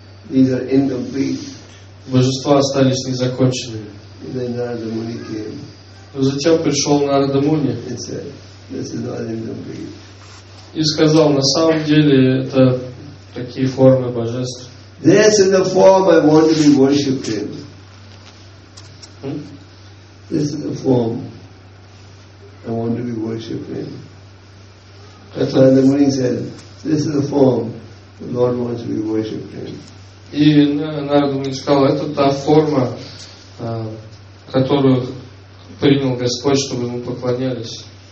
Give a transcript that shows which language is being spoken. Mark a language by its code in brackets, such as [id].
[en] These are incomplete. [ru] Божества остались незаконченными. [en] And then Narada Muni came. [ru] Но затем пришел Нарада Муни. [en] And said, this is not incomplete. [ru] И сказал, на самом деле это такие формы божеств. [en] This is the form I want to be worshipped in. Hmm? This is the form I want to be worshipped in. [ru] Это... [en] Narada Muni said, this is the form the Lord wants to be worshipped in. [ru] И Narada Muni сказал, это та форма, которую принял Господь, чтобы мы поклонялись.